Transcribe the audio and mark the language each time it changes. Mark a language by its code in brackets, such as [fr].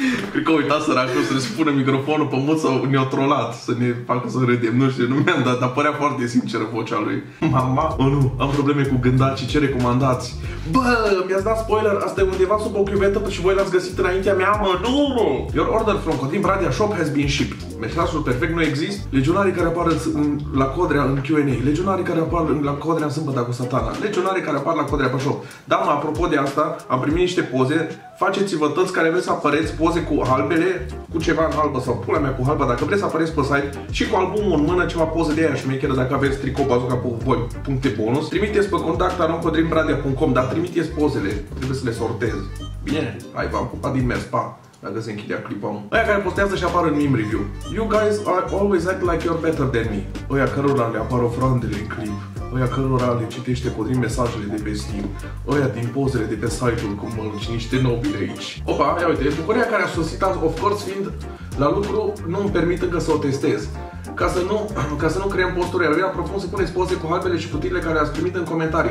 [ro] Cred că uita săracul să-l spună microfonul pe mut sau ne-a trolat să ne facă să râdem, nu știu, nu mi-am dat, dar părea foarte sinceră vocea lui. Mama, oh, nu, am probleme cu gândaci, ce recomandați? Bă, mi-ați dat spoiler, asta e undeva sub o chiuvetă și voi l-ați găsit înaintea mea, mă, nu, mă! [en] Your order from Codrin Bradea shop has been shipped. [ro] Mesajul perfect nu există. Legionarii care apar la Codrea în Q&A. Legionarii care apar la Codrea în sâmbătă cu satana. Legionarii care apar la Codrea pe shop. Da, mă, apropo de asta, am primit niște poze. Faceți-vă toți care vreți să apăreți poze cu albele, cu ceva în albă sau pula mea cu albă, dacă vreți să apăreți pe site și cu albumul în mână, ceva poze de aia șmecheră, dacă aveți tricou Bazooka pe voi, puncte bonus. Trimiteți pe contact@codrinbradea.com, dar trimiteți pozele, trebuie să le sortez. Bine, hai, v-am pupat din mers, pa! Dacă se închidea clipam. Aia care postează și apar în meme review. [en] You guys are always act like you're better than me. [ro] Aia cărora le apar ofrandele în clip. Aia cărora le citește Codrin mesajele de pe Steam. Aia din pozele de pe site-ul cu mărci, niște nobile aici. Opa, ia uite, bucuria care a suscitat, [en] of course, [ro] fiind la lucru, nu îmi permit încă să o testez. Ca să nu creăm posturi, eu am propus să puneți poze cu halbele și cutiile care ați primit în comentarii.